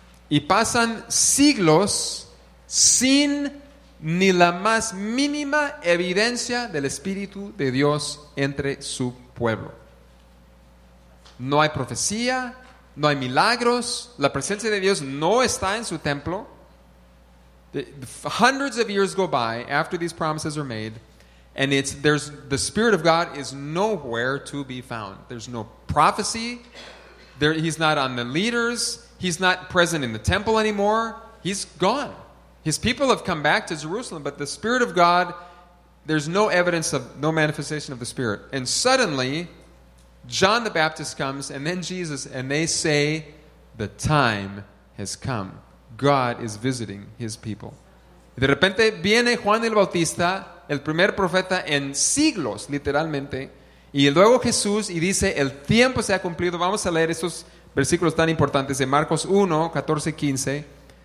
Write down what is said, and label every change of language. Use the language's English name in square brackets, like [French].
[Spanish] Y pasan siglos sin ni la más mínima evidencia del Espíritu de Dios entre su pueblo. No hay profecía, no hay milagros, la presencia de Dios no está en su templo. [English] Hundreds of years go by after these promises are made, and the Spirit of God is nowhere to be found. There's no prophecy, he's not on the leaders, he's not present in the temple anymore, he's gone. His people have come back to Jerusalem, but the Spirit of God, there's no evidence of, no manifestation of the Spirit. And suddenly, John the Baptist comes, and then Jesus, and they say, the time has come. God is visiting His people. [Spanish] De repente viene Juan el Bautista, el primer profeta en siglos, literalmente, y luego Jesús, y dice, el tiempo se ha cumplido. Vamos a leer esos versículos tan importantes de Marcos 1, 14, 15.